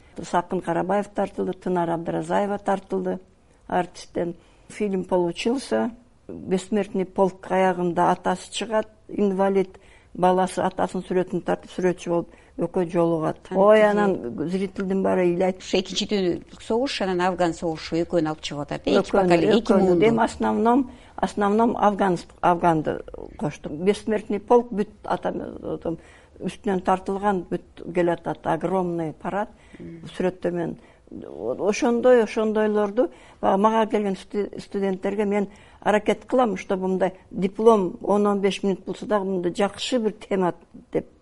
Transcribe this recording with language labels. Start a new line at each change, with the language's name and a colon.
Kyrgyz: Сакын Карабаев тартылды, Тынар Абдыразаева тартылды артисттен.
Russian: Фильм получился.
Kyrgyz: Бессмертный полк аягында атасы чыгат, инвалид, баласы атасын сүрөтүн тартып сүрөтчү болуп өкөн жолугат. Ой, анан зрительдин баары ыйлайт. Ошо экинчи дүйнөлүк согуш анан афган согушу экөөнү алып чыгып атат. Эки бакали, эки муунду. Эми
Russian: основном
Kyrgyz: афганды коштум. Бессмертный полк бүт атам үстүнөн тартылган бүт келатат.
Russian: Огромный парад
Kyrgyz: сүрөттө мен. Ошондойлорду мага келген студенттерге мен аракет кылам,
Russian: чтобы
Kyrgyz: мындай диплом 10-15 мүнөт болсо дагы мындай жакшы бир тема деп.